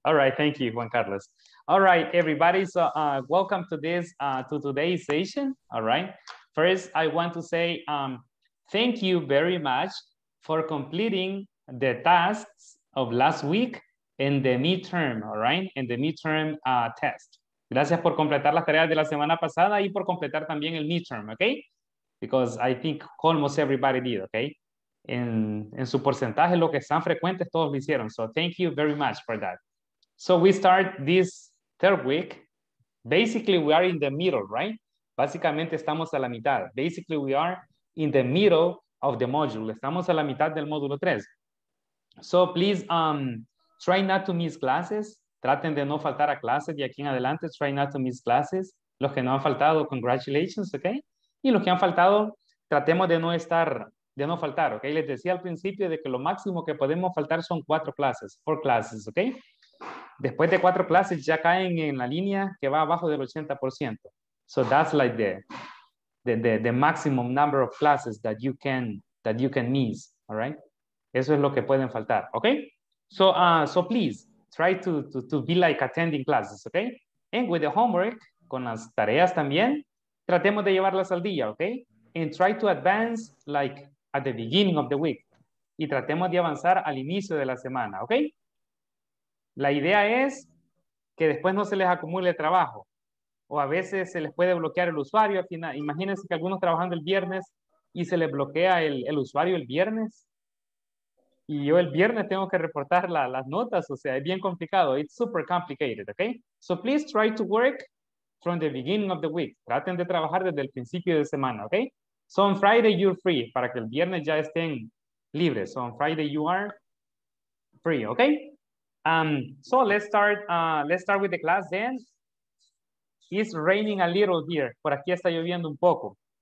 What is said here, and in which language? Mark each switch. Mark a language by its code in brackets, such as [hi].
[en] All right, thank you, Juan Carlos. All right, everybody, so welcome to this, to today's session, all right? First, I want to say thank you very much for completing the tasks of last week in the midterm, all right? In the midterm test. [es] Gracias por completar las tareas de la semana pasada y por completar también el midterm, okay? [en] Because I think almost everybody did, okay? [es] En su porcentaje, lo que están frecuentes, todos lo hicieron. [en] So thank you very much for that. So we start this third week. Basically, we are in the middle, right? [es] Básicamente, estamos a la mitad. [en] Basically, we are in the middle of the module. [es] Estamos a la mitad del módulo 3. [en] So please try not to miss classes. [es] Traten de no faltar a clases de aquí en adelante. [en] Try not to miss classes. [es] Los que no han faltado, [en] congratulations, [es] okay? Y los que han faltado, tratemos de no estar... de no faltar, ¿ok? Les decía al principio de que lo máximo que podemos faltar son 4 clases, ¿ok? Después de 4 clases ya caen en la línea que va abajo del 80%. [en] So that's like the maximum number of classes that you can miss, all right? [es] Eso es lo que pueden faltar, [en] ¿ok? So so please try to be like attending classes, ¿ok? And with the homework, [es] con las tareas también, tratemos de llevarlas al día, ¿ok? [en] And try to advance like at the beginning of the week. [es] Y tratemos de avanzar al inicio de la semana, ¿ok? La idea es que después no se les acumule trabajo. O a veces se les puede bloquear el usuario. Imagínense que algunos trabajando el viernes y se les bloquea el usuario el viernes. Y yo el viernes tengo que reportar las notas. O sea, es bien complicado. [en] It's super complicated, ¿ok? So please try to work from the beginning of the week. [es] Traten de trabajar desde el principio de semana, ¿ok? [en] So on Friday, you're free, [es] para que el viernes ya estén libres. [en] So on Friday, you are free, okay? So let's start with the class then. It's raining a little here. [es] Por aquí está lloviendo un poco.